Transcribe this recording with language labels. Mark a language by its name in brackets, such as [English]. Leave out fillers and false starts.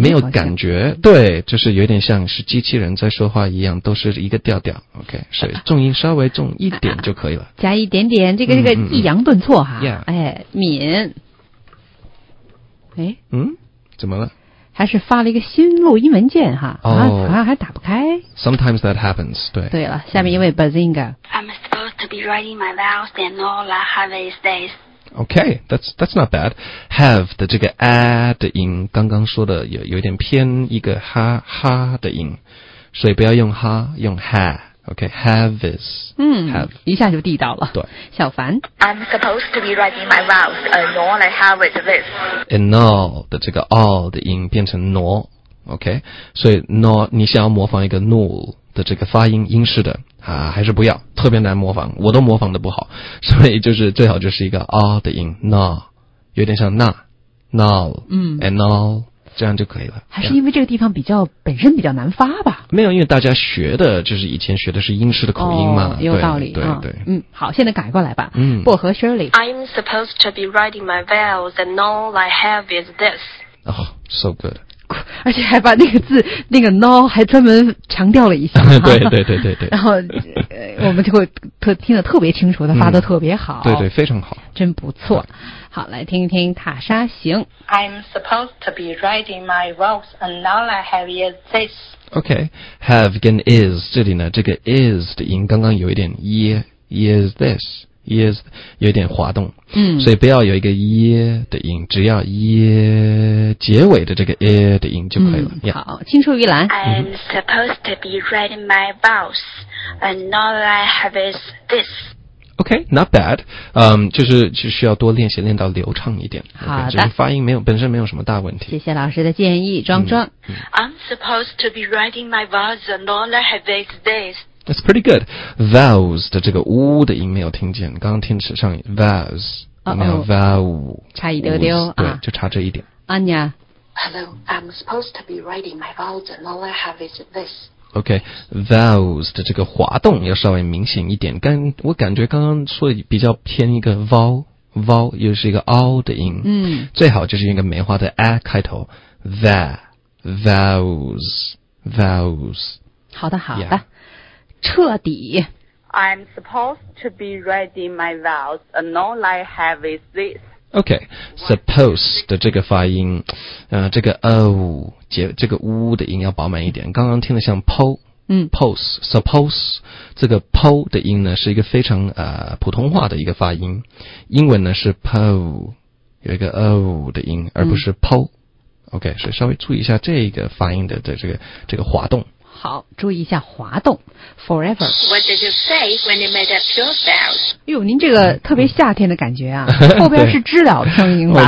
[Chinese] 没有感觉，对，就是有点像是机器人在说话一样，都是一个调调 ,okay, 所以重音稍微重一点就可以了。加一点点，这个抑扬顿挫哈、 [English] 嗯嗯、,yeah, [Chinese] 哎，敏。哎，嗯，怎么了？还是发了一个新录音文件哈、哦、啊，好像还打不开。 [English] Sometimes that happens. 对。 [Chinese] 对了，下面一位 Bazinga。 [English] I'm supposed to be writing my vows and all I have is this. Okay, that's not bad. [Chinese] Have 的这个 a 的音，刚刚说的有点偏一个哈的音，所以不要用哈，用 ha. [English] Okay, have is. 嗯，have [Chinese] 一下就地道了。对，小凡。 [English] I'm supposed to be writing my vows and all I have is this. [Chinese] And all 的这个 all 的音变成 no, okay? 所以 no 你想要模仿一个 no 的这个发音英式的啊，还是不要，特别难模仿，我都模仿的不好，所以就是最好就是一个 all 的音 no, 有点像 na, no, 嗯，and all。 这样就可以了。还是因为这个地方比较本身比较难发吧？没有，因为大家学的就是以前学的是英式的口音嘛。哦，有道理。对对，哦，对。嗯，好，现在改过来吧。嗯，薄荷 Shirley。 [English] I'm supposed to be writing my vows, and all I have is this. Oh, so good. [Chinese] 而且还把那个字那个 no 还专门强调了一下对对对对对，然后我们就会听得特别清楚，他发得特别好，嗯，对对，非常好，真不错。好，来听一听塔莎行。 [English] I'm supposed to be riding my vows and all I have is this. [Chinese] OK, have 跟 is 这里呢，这个 is 的音刚刚有一点 is this is 有一点滑动，嗯，所以不要有一个 ye 的音，只要 ye 结尾的这个 e 的音就可以了。嗯，好，青出于蓝。 [English] I'm supposed to be writing my vows, and all I have is this. Okay, not bad. [Chinese] 就是需要多练习，练到流畅一点。好的。 Okay, 就是发音没有本身没有什么大问题。谢谢老师的建议，庄庄。 [English] 嗯嗯，I'm supposed to be writing my vows, and all I have is this. That's pretty good. [Chinese] Vows 的这个呜的音没有听见，刚刚听上 vows 没有 vow，差一丢丢，对，啊，就差这一点。 [English] Anya, hello, I'm supposed to be writing my vows, and all I have is this. [Chinese] Okay, vows 的这个滑动要稍微明显一点。我感觉刚刚说的比较偏一个 vow 又是一个凹的音，嗯，最好就是一个梅花的 a 开头 ，vows。好的，好的。 [English] Yeah. [Chinese] 彻底。 [English] I'm supposed to be writing my vows, and all I have is this. [Chinese] Okay, supposed 的这个发音，这个 o 结这个 u 的音要饱满一点。刚刚听得像 po，嗯，pose suppose 这个 po 的音呢是一个非常普通话的一个发音。英文呢是 po， 有一个 o 的音，而不是 po，嗯。 Okay， 所以稍微注意一下这个发音的这个滑动。好，注意一下滑动 ，forever。 [English] What did you say when you made up your vows？ [Chinese] 哎呦，您这个特别夏天的感觉啊，后边是知了的声音吧？